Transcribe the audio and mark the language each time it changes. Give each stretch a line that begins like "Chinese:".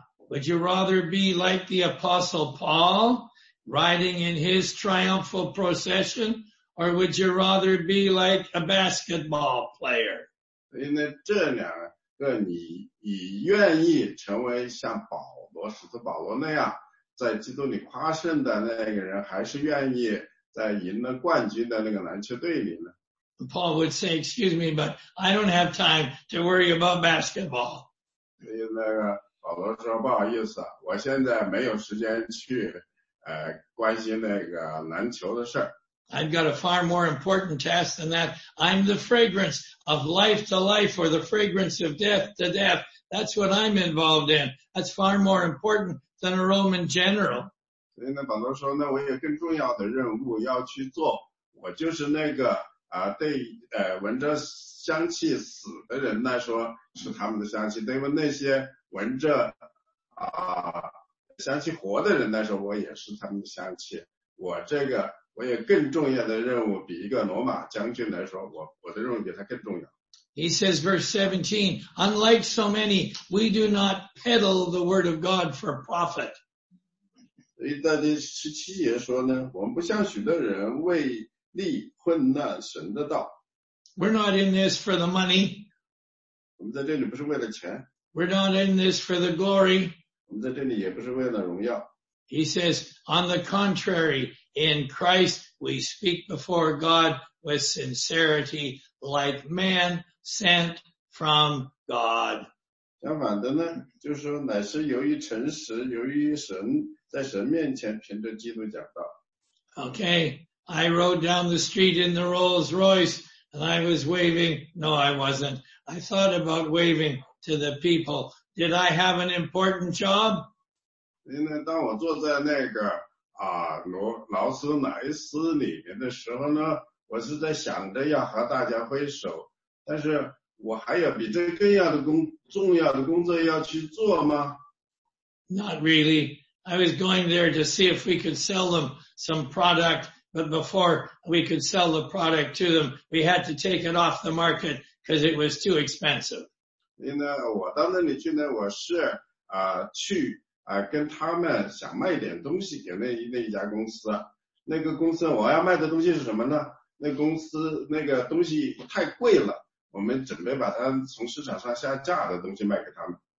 English: Would you rather be like the Apostle Paul riding in his triumphal procession? Or would you rather be like a basketball player?
Chinese: 所以呢，这两个你愿意成为像保罗、使徒保罗那样在基督里夸胜的那个人，还是愿意在赢了冠军的那个篮球队里呢？
English: Paul would say, "Excuse me, but I don't have time to worry about basketball."
Chinese: 所以那个保罗说：“不好意思，我现在没有时间去关心那个篮球的事儿。”
English: I've got a far more important task than that. I'm the fragrance of life to life or the fragrance of death to death. That's what I'm involved in. That's far more important than a Roman general.
Chinese: 所以呢，保罗说呢，我有更重要的任务要去做。我就是那个闻着香气死的人来说是他们的香气。对于那些闻着香气活的人来说，我也是他们的香气。我这个。我有更重要的任务，比一个罗马将军来说，我的任务比他更重要。
English: He says, verse 17, unlike so many, we do not peddle the word of God for profit.
Chinese: 那第十七节说呢，我们不像许多人为利混乱神的道。
English: We're not in this for the money.
Chinese: 我们在这里不是为了钱。
English: We're not in this for the glory.
Chinese: 我们在这里也不是为了荣耀。
English: He says, on the contrary, in Christ, we speak before God with sincerity, like man sent from God.
Chinese: 相反的呢，就是说乃是由于诚实，由于神，在神面前凭着基督讲道。
English: Okay, I rode down the street in the Rolls Royce, and I was waving. No, I wasn't. I thought about waving to the people. Did I have an important job?
Chinese: 因为当我坐在那个劳斯莱斯里面的时候呢，我是在想着要和大家挥手，但是我还有比这更要的重要的工作要去做吗
English: ？Not really. I was going there to see if we could sell them some product, but before we could sell the product to them, we had to take it off the market because it was too expensive.
Chinese: 因为我到那里去呢，我是去。跟他们想卖点东西给那一家公司。那个公司我要卖的东西是什么呢？那公司那个东西太贵了，我们准备把它从市场上下架的东西卖给他们。